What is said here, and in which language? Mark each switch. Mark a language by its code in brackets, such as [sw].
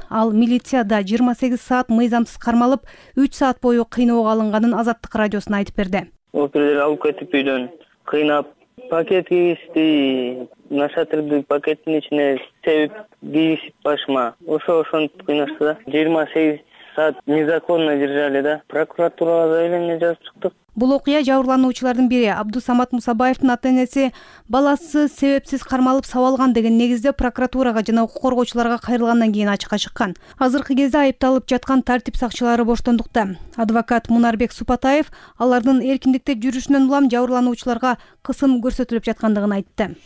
[ky] Ал милицияда 28 саат мыйзамсыз кармалып, 3 саат бою кыйноого алынганын Азаттык радиосуна айтып берди. Оперлер алып кетип үйдөн кыйнап, пакет кийгизди, нашатырды пакеттин ичине себеп кийгизип башыма. Ошентип кыйнашты да. [ru] 28 саат незаконно держали да. [ky] Прокуратурага заявление жазып чыктык. Бул окуя жабырлануучулардын бири Абдусамат Мусабаевдин ата-энеси баласы себепсиз кармалып сабалган деген негизде прокуратурага жана укук коргоочуларга кайрылгандан кийин ачыкка чыккан. Азыркы кезде айыпталып жаткан тартип сакчылары боштондукта. Адвокат Мунарбек Супатаев алардын эркиндикте жүрүшүнөн улам жабырлануучуларга кысым көрсөтүлүп жаткандыгын айтты.